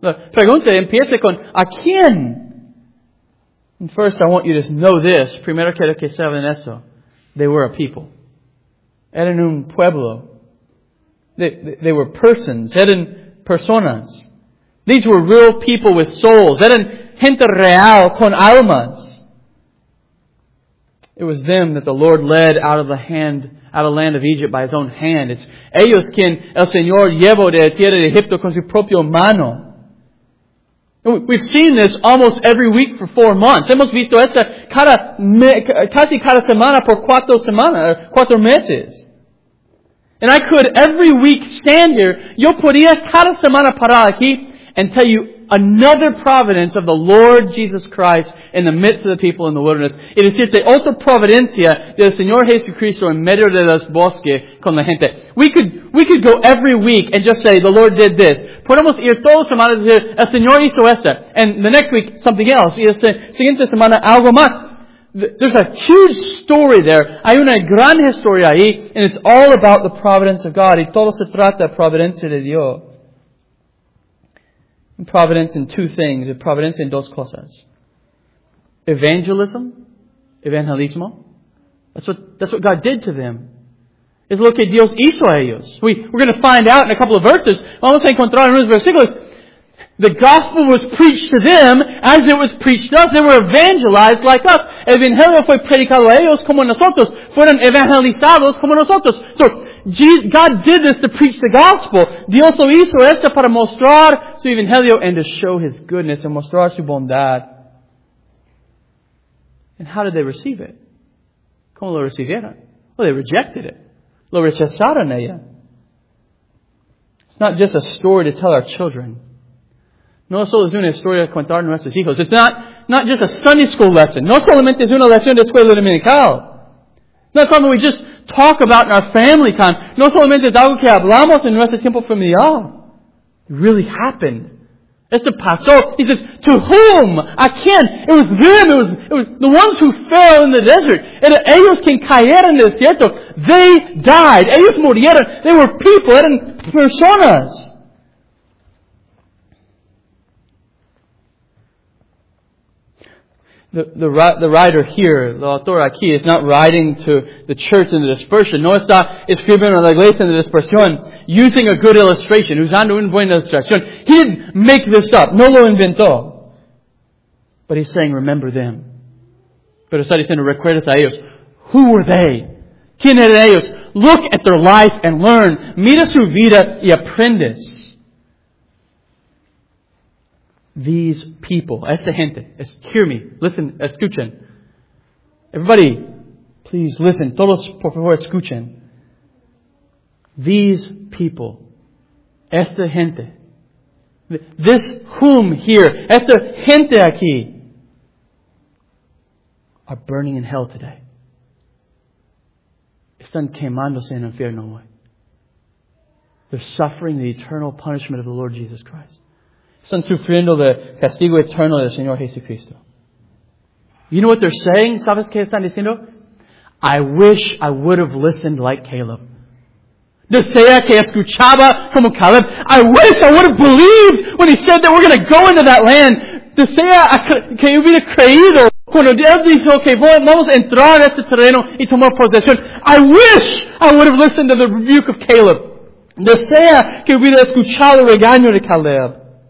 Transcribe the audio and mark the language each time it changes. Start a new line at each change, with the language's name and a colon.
Spanish: La pregunta empieza con, ¿a quién?
English: And first I want you to know this.
Spanish: Primero quiero que saben eso.
English: They were a people.
Spanish: Eran un pueblo.
English: They were persons.
Spanish: Eran personas.
English: These were real people with souls.
Spanish: Eran gente real con almas.
English: It was them that the Lord led out of the hand out of the land of Egypt by his own hand.
Spanish: It's ellos quien el Señor llevó de la tierra de Egipto con su propio mano.
English: And we've seen this almost every week for 4 months.
Spanish: Hemos visto esta casi cada semana por cuatro meses.
English: And I could every week stand here,
Spanish: yo podría cada semana parar aquí
English: and tell you another providence of the Lord Jesus Christ in the midst of the people in the wilderness.
Spanish: Es decir, de otra providencia del Señor Jesucristo en medio de los bosques con la gente.
English: We could go every week and just say, the Lord did this.
Spanish: Podemos ir todas semanas y decir, el Señor hizo esto.
English: And the next week, something else.
Spanish: Y la siguiente semana, algo más.
English: There's a huge story there.
Spanish: Hay una gran historia ahí.
English: And it's all about the providence of God.
Spanish: Y todo se trata de providencia de Dios.
English: Providence in two things. Providence in
Spanish: dos cosas. Evangelismo.
English: That's what God did to them.
Spanish: Es lo que Dios hizo a ellos.
English: We're going to find out in a couple of verses.
Spanish: Vamos a encontrar en unos versículos.
English: The gospel was preached to them as it was preached to us. They were evangelized like us.
Spanish: Evangelio fue predicado a ellos como nosotros. Fueron evangelizados como nosotros. So,
English: God did this to preach the gospel.
Spanish: Dios lo hizo esto para mostrar su evangelio
English: and to show His goodness and
Spanish: mostrar su bondad.
English: And how did they receive it?
Spanish: ¿Cómo lo recibieron?
English: Well, they rejected it.
Spanish: Lo rechazaron ella.
English: It's not just a story to tell our children.
Spanish: No solo es una historia de contar a nuestros hijos.
English: It's not just a Sunday school lesson.
Spanish: No solamente es una lección de escuela dominical.
English: Not something we just talk about in our family time.
Spanish: No solamente es algo que hablamos en nuestro tiempo familiar.
English: It really happened.
Spanish: Esto pasó.
English: He says, to whom?
Spanish: A quién?
English: It was them. It was the ones who fell in the desert.
Spanish: Era ellos quien cayeron en el desierto.
English: They died.
Spanish: Ellos murieron.
English: They were people.
Spanish: Eran personas.
English: The writer here, the
Spanish: autor aquí,
English: is not writing to the church in the dispersion.
Spanish: No está escribiendo a la iglesia en la dispersión,
English: using a good illustration,
Spanish: usando una buena ilustración.
English: He didn't make this up.
Spanish: No lo inventó.
English: But he's saying, remember them.
Spanish: Pero está diciendo, recuerdas a ellos. Who were they? ¿Quién eran ellos?
English: Look at their life and learn.
Spanish: Mira su vida y aprendes.
English: These people,
Spanish: esta gente,
English: hear me, listen,
Spanish: escuchen.
English: Everybody, please listen.
Spanish: Todos, por favor, escuchen.
English: These people,
Spanish: esta gente,
English: this whom here,
Spanish: esta gente aquí,
English: are burning in hell today.
Spanish: Están quemándose en el infierno hoy.
English: They're suffering the eternal punishment of the Lord Jesus Christ.
Spanish: Están sufriendo el castigo eterno del Señor Jesucristo.
English: You know what they're saying?
Spanish: ¿Sabes qué están diciendo?
English: I wish I would have listened like Caleb.
Spanish: Desea que escuchaba como Caleb.
English: I wish I would have believed when he said that we're going to go into that land.
Spanish: Desea que hubiera creído cuando Dios dijo que vamos a entrar en este terreno y tomar posesión.
English: I wish I would have listened to the rebuke of Caleb.
Spanish: Desea que hubiera escuchado el regaño de Caleb.